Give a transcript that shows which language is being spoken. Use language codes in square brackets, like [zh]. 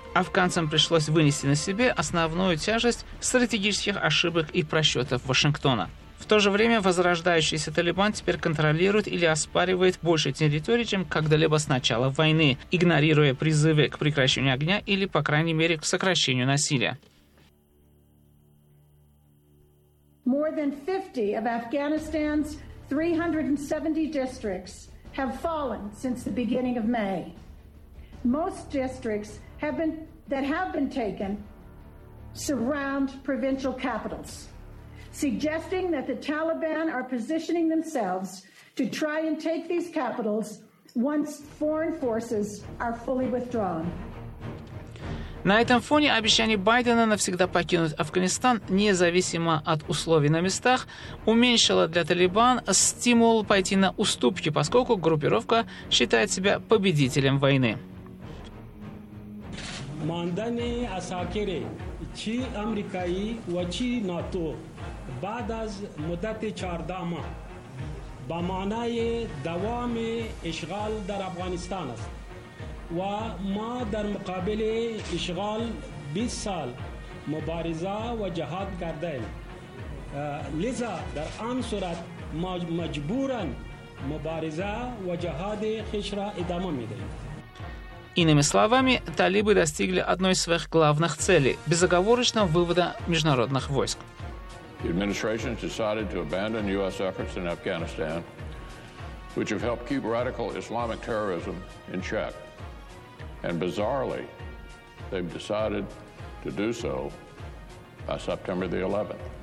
[ru] Афганцам пришлось вынести на себе основную тяжесть стратегических ошибок и просчетов Вашингтона. В то же время возрождающийся Талибан теперь контролирует или оспаривает больше территорий, чем когда-либо с начала войны, игнорируя призывы к прекращению огня или, по крайней мере, к сокращению насилия. [en] More than 50 of Afghanistan's 370 districts have fallen since the beginning of May. Most districts have been taken surround provincial capitals, suggesting that the Taliban are positioning themselves to try and take these capitals once foreign forces are fully withdrawn. [ru] На этом фоне обещание Байдена навсегда покинуть Афганистан, независимо от условий на местах, уменьшило для Талибан стимул пойти на уступки, поскольку группировка считает себя победителем войны. [fa] Мандани Асакири, чи Америкаи, чи НАТО. بعد از مدت 14 ماه به معنای دوام اشغال در افغانستان است و ما در مقابل اشغال 20 سال مبارزه و جهاد کرده ایم لذا در آن صورت مجبوراً مبارزه و جهاد خیش را ادامه می دهیم. [ru] Иными словами, талибы достигли одной из своих главных целей – безоговорочного вывода международных войск. [en] The administration has decided to abandon U.S. efforts in Afghanistan, which have helped keep radical Islamic terrorism in check. And bizarrely, they've decided to do so by September the 11th.